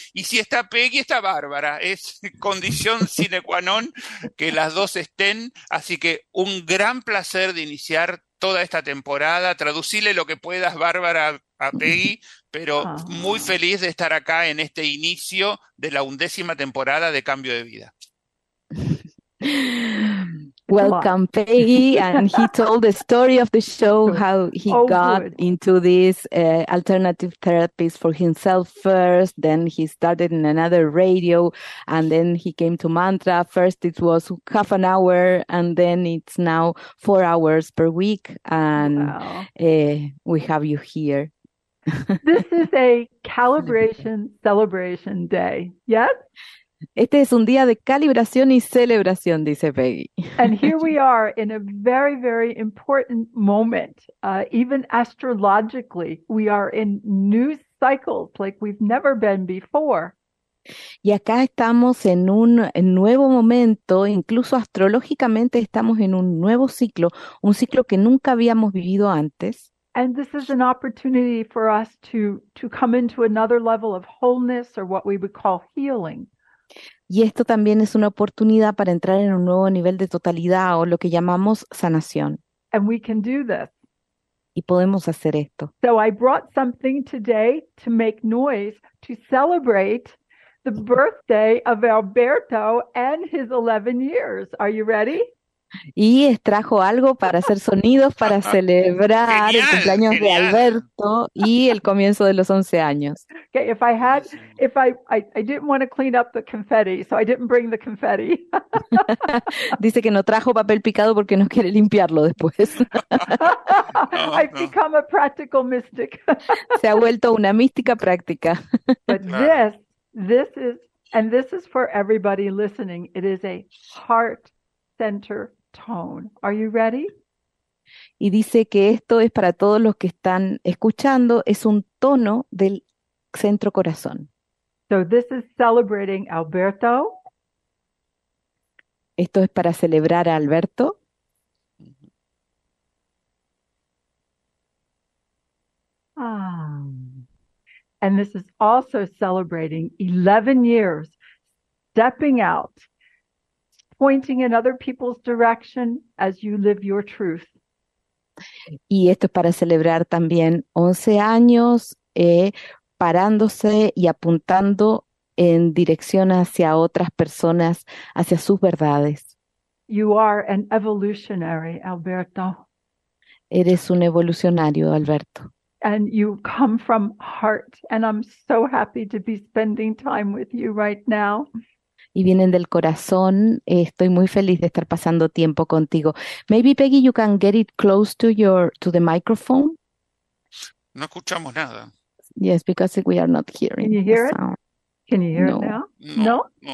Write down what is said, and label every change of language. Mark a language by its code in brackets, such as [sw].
[es] Y si está Peggy, está Bárbara. Es condición sine qua non que las dos estén. Así que un gran placer de iniciar toda esta temporada. Traducile lo que puedas, Bárbara, a Peggy. Pero muy feliz de estar acá en este inicio de la 11ª temporada de Cambio de Vida. [en] Welcome, Peggy, and he told the story of the show, how he into this alternative therapies for himself first, then he started in another radio, and then he came to Mantra. First it was 30 minutes, and then it's now 4 hours per week, and we have you here. This is a calibration celebration day, yes? [es] Este es un día de calibración y celebración, dice Peggy. [en] And here we are in a very, very important moment. Even astrologically, we are in new cycles like we've never been before. [es] Y acá estamos en un nuevo momento, incluso astrológicamente estamos en un nuevo ciclo, un ciclo que nunca habíamos vivido antes. [en] And this is an opportunity for us to come into another level of wholeness, or what we would call healing. [es] Y esto también es una oportunidad para entrar en un nuevo nivel de totalidad, o lo que llamamos sanación. [en] And we can do this. [es] Y podemos hacer esto. [en] So I brought something today to make noise, to celebrate the birthday of Alberto and his 11 years. Are you ready? [es] Y extrajo algo para hacer sonidos para celebrar genial, el cumpleaños genial. De Alberto y el comienzo de los 11 años. [en] Okay, if I didn't want to clean up the confetti, so I didn't bring the confetti. [es] Dice que no trajo papel picado porque no quiere limpiarlo después. [en] No, I've become a practical mystic. [es] Se ha vuelto una mística práctica. [en] But this is for everybody listening. It is a heart center tone. Are you ready? [es] Y dice que esto es para todos los que están escuchando, es un tono del centro corazón. [en] So this is celebrating Alberto. [es] Esto es para celebrar a Alberto. [en] And this is also celebrating 11 years stepping out, pointing in other people's direction as you live your truth. [es] Y esto es para celebrar también 11 años parándose y apuntando en dirección hacia otras personas, hacia sus verdades. [en] You are an evolutionary, Alberto. [es] Eres un evolucionario, Alberto. [en] And you come from heart, and I'm so happy to be spending time with you right now. [es] Y vienen del corazón. Estoy muy feliz de estar pasando tiempo contigo. [en] Maybe Peggy, you can get it close to the microphone. [es] No escuchamos nada. [en] Yes, because we are not hearing. Can you hear the sound. It? Can you hear it now? No.